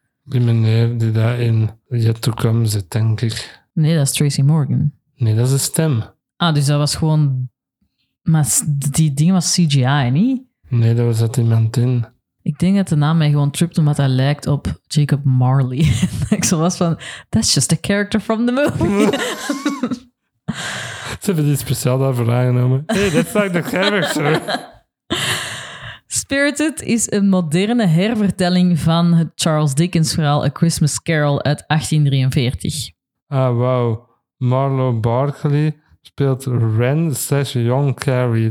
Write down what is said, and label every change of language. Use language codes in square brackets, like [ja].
[nl] Die meneer die daar in Yet to Come zit, denk ik. Nee, dat is Tracy Morgan. Nee, dat is de stem. Ah, dus dat was gewoon... Maar die ding was CGI, niet? Nee, dat was dat iemand in. Ik denk dat de naam mij gewoon tript omdat hij lijkt op Jacob Marley. Ik zo was van, [en] that's just a character from the movie. [nl] Ze hebben die speciaal daarvoor aangenomen. [en] Hey, that's like the character. [nl] Spirited is een moderne hervertelling van het Charles Dickens verhaal A Christmas Carol uit 1843. Ah, wow. Marlo Barkley speelt Ren / Young Carrie.